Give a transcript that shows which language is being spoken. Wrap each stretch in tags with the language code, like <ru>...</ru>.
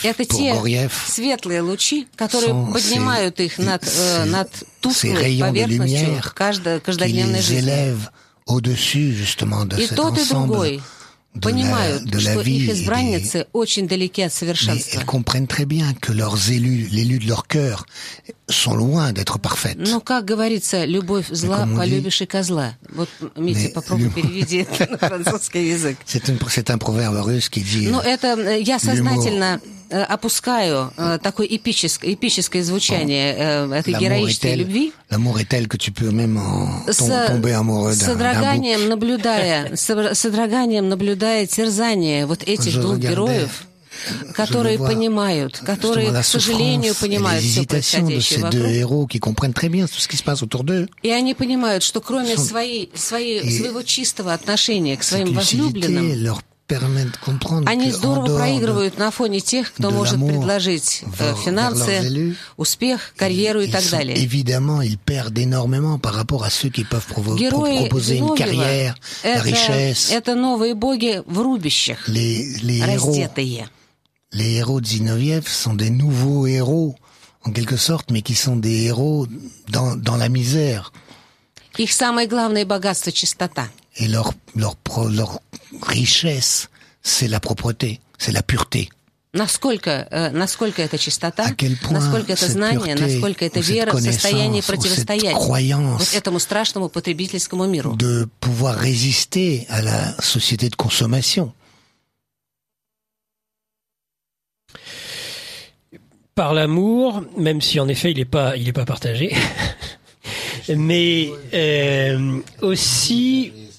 <ru>это те светлые лучи, которые поднимают их над тусклой поверхностью каждодневной жизни. И тот, и другой — понимают, что их избранницы очень далеки от совершенства.</ru> <fr>Mais elles comprennent très bien que leurs élus, l'élu de leur cœur, sont loin d'être parfaites.</fr> <ru>Но как говорится, любовь зла полюбишь и козла. Вот Митя, попробуй переведи на французский язык.</ru> <fr>C'est un proverbe russe qui dit.</fr> <ru>Но это я сознательно опускаю такое эпическое звучание этой героической любви.</ru> <fr>L'amour est tel que tu peux même tomber amoureux d'un bouc.</fr> <ru>С содроганием наблюдая терзание вот этих двух героев, которые понимают, которые, к сожалению, понимают все происходящее вокруг. И они понимают, что кроме своего чистого отношения к своим возлюбленным, они здорово проигрывают на фоне тех, кто может предложить финансы, успех, карьеру и так далее.</ru> <fr>Évidemment, ils perdent énormément par rapport à ceux qui peuvent proposer une carrière, la richesse.</fr> <ru>Это новые боги в рубищах, раздетые.</ru> <fr>Les héros de Zinoviev sont des nouveaux héros, en quelque sorte, mais qui sont des héros dans la misère.</fr> <ru>Их самое главное богатство — чистота.</ru> <fr>Et leur richesse, c'est la propreté, c'est la pureté.</fr> <ru>Насколько это чистота, насколько это знание, насколько это вера в состоянии противостоять вот этому страшному потребительскому миру.</ru> <fr>De pouvoir résister à la société de consommation. Par l'amour, même si en effet il est pas partagé, mais aussi.</fr>